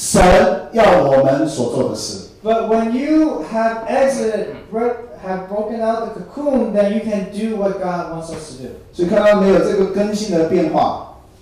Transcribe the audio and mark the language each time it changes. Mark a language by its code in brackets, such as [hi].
[zh] 而是后来出茧的时候，有能力做神要我们所做的事。 [en] But when you have exited, have broken out the cocoon, then you can do what God wants us to do. [zh] 所以看到没有这个更新的变化。